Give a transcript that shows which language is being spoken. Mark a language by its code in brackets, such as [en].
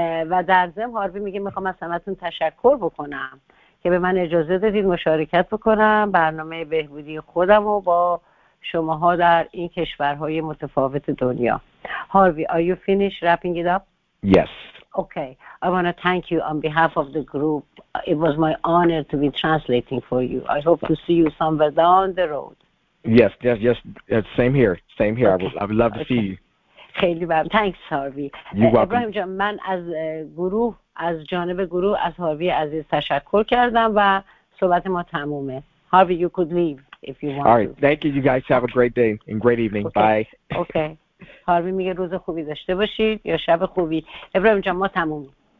[fa] و در ضمن هاروی میگه میخوام از همتون تشکر بکنم که به من اجازه دادید مشارکت بکنم برنامه بهبودی خودم و با شماها در این کشورهای متفاوت دنیا. [en] Harvey, are you finished wrapping it up? Yes. Okay. I want to thank you on behalf of the group. It was my honor to be translating for you. I hope to see you somewhere down the road. Yes. Same here. Okay. I would love to see you. [fa] خیلی ممنون. [en] Thanks, [fa] Harvey. [en] You're welcome. [fa] ابراهیم جان, من از جانب گروه از هاروی عزیز تشکر کردم و صحبت ما تمومه. [en] Harvey, you could leave if you want. All right. Thank you. You guys have a great day and great evening. Okay. Bye. [fa] Okay. هاروی میگه روز خوبی داشته باشید یا شب خوبی. ابراهیم جان, ما تمومیم.